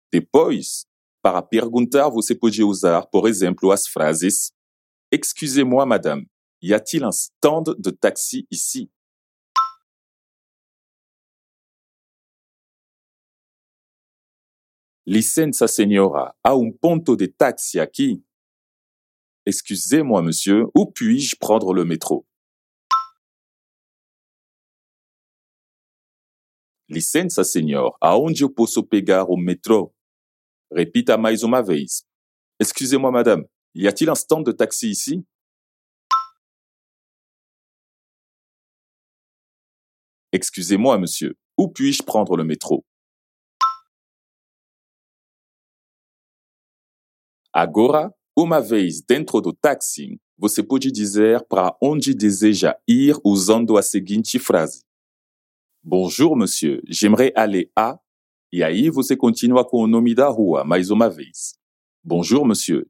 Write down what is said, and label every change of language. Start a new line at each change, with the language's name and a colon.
Portuguese: Depois, para perguntar, você pode usar, por exemplo, as frases:
French: Excusez-moi, madame, y a-t-il un stand de taxi ici?
Portuguese: Licença, senhora, há ponto de taxi aqui?
French: Excusez-moi, monsieur, où puis-je prendre le métro?
Portuguese: Licença, senhor. Aonde eu posso pegar o metrô? Repita mais uma vez.
French: Excusez-moi, madame. Y a-t-il un stand de taxi ici? Excusez-moi, monsieur. Où puis-je prendre le métro?
Portuguese: Agora, uma vez dentro do táxi, você pode dizer para onde deseja ir usando a seguinte frase.
French: Bonjour, monsieur. J'aimerais aller à...
Portuguese: E aí, você continua com o nome da rua, mais uma vez.
French: Bonjour, monsieur.